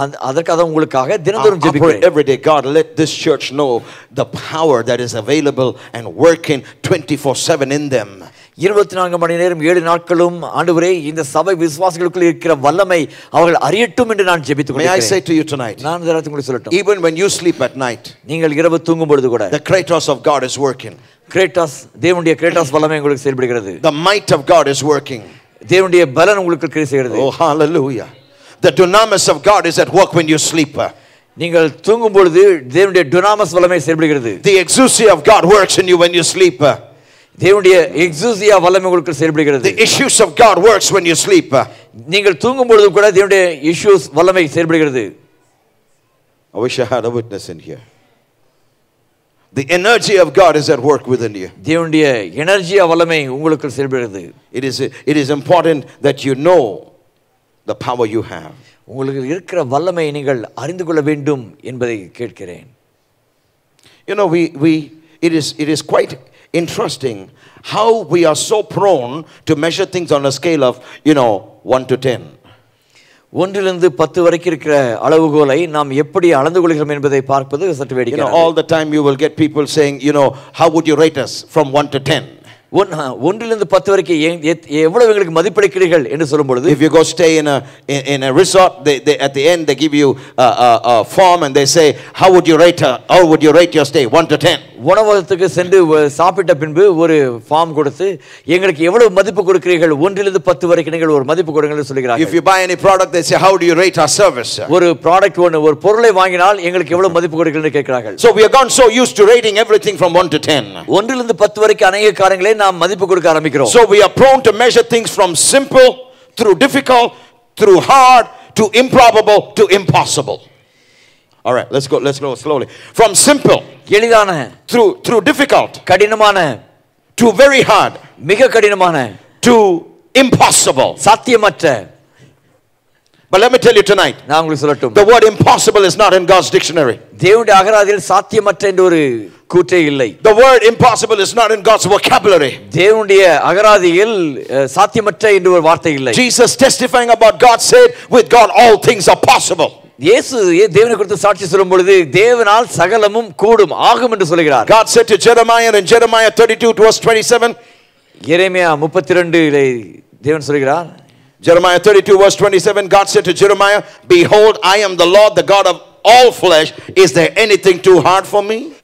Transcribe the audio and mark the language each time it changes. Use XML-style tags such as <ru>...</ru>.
<ta>அதற்காக உங்களுக்காக தினந்தோறும் ஜெபிக்கிறேன்.</ta> <en>Every day, God, let this church know the power that is available and working 24/7 in them.</en> <ta>24 மணி நேரம் 7 நாட்களும் ஆண்டவரே இந்த சபை விசுவாசிகளுக்குள் இருக்கிற வல்லமை அவர்கள் அறியட்டும் என்று நான் ஜெபித்துக் கொண்டிருக்கிறேன். நீங்கள் இரவு தூங்கும் பொழுது கூட</ta> <en>the Kratos of God is working.</en> <ta>Kratos, தேவனுடைய Kratos வல்லமை உங்களுக்கு செயல்படுகிறது.</ta> <en>The might of God is working.</en> <ta>தேவனுடைய பலன் உங்களுக்கு கிரியை செய்கிறது.</ta> <en>Oh, hallelujah. The dunamis of God is at work when you sleep.</en> <ta>நீங்கள் தூங்கும் பொழுது தேவனுடைய dunamis வல்லமை செயல்படுகிறது.</ta> <en>The exousia of God works in you when you sleep.</en> <ta>தேவனுடைய எக்ஸூசியா வல்லமை உங்களுக்கு செயல்படுகிறது.</ta> <en>The issues of God works when you sleep.</en> <ta>நீங்கள் தூங்கும் பொழுது கூட தேவனுடைய issues வல்லமை செயல்படுகிறது.</ta> <en>I wish I had a witness in here. The energy of God is at work within you.</en> <ta>தேவனுடைய எனர்ஜியா வல்லமை உங்களுக்கு செயல்படுகிறது.</ta> <en>It is important that you know the power you have.</en> <ta>உங்களுக்கு இருக்கிற வல்லமை நீங்கள் அறிந்து கொள்ள வேண்டும் என்பதை கேட்கிறேன்.</ta> <en>You know, it is quite interesting how we are so prone to measure things on a scale of, you know, 1 to 10.</en> <ta>ஒன்றிலிருந்து 10 வரைக்கும் இருக்கிற அளவுகோலை நாம் எப்படி அளந்து கொள்கிறோம் என்பதை பார்ப்பது சற்று வேடிக்கை.</ta> <en>All the time you will get people saying, you know, how would you rate us from 1 to 10?</en> <ta>ஒன்றிலிருந்து 10 வரைக்கும் எவ்வளவு உங்களுக்கு மதிப்பளிக்கிறீர்கள் என்று சொல்லும்பொழுது,</ta> <en>if you go stay in a resort, they at the end they give you a form and they say, how would you rate your stay 1 to 10.</en> <ta>உணவகத்துக்கு சென்று சாப்பிட்ட பின்பு ஒரு ஃபார்ம் கொடுத்து எங்களுக்கு எவ்வளவு மதிப்பு கொடுக்கிறீர்கள், 1 to 10 வரைக்கும் நீங்கள் ஒரு மதிப்பு கொடுங்கள் சொல்கிறார்கள்.</ta> <en>If you buy any product, they say, how do you rate our service?</en> <ta>ஒரு ப்ராடக்ட் ஒன்று ஒரு பொருளை வாங்கினால் எங்களுக்கு எவ்வளவு மதிப்பு கொடுக்கிறீர்கள் கேட்கிறார்கள்.</ta> <en>So we have gone so used to rating everything from 1 to 10.</en> <ta>1 to 10 வரைக்கும் அனைத்து காரியங்களையும் நாம் மதிப்பு கொடுக்க ஆரம்பிக்கிறோம்.</ta> <en>So we are prone to measure things from simple through difficult through hard to improbable to impossible. All right, let's go slowly. From simple,</en> <ta>எளிதான,</ta> <en>through difficult,</en> <ta>கடினமான,</ta> <en>to very hard,</en> <ta>மிக கடினமான,</ta> <en>to impossible,</en> <ta>சாத்தியமற்ற.</ta> <en>But let me tell you tonight,</en> <ta>நான் உங்களுக்கு சொல்லட்டும்,</ta> <en>the word impossible is not in God's dictionary.</en> <ta>தேவனுடைய அகராதியில் சாத்தியமற்ற என்ற ஒரு கூற்றே இல்லை.</ta> <en>The word impossible is not in God's vocabulary.</en> <ta>தேவனுடைய அகராதியில் சாத்தியமற்ற என்ற ஒரு வார்த்தை இல்லை.</ta> <en>Jesus testifying about God said, with God all things are possible.</en> <ta>இயேசு தேவனை குறித்து சாட்சி சொல்லும் பொழுது தேவனால் சகலமும் கூடும் ஆகும் என்று சொல்கிறார்.</ta> <en>God said to Jeremiah in Jeremiah 32 verse 27.</en> <ta>எரேமியா 32-லே தேவன் சொல்கிறார்.</ta> <en>Jeremiah 32 verse 27, God said to Jeremiah, behold, I am the Lord, the God of all flesh. Is there anything too hard for me?</en>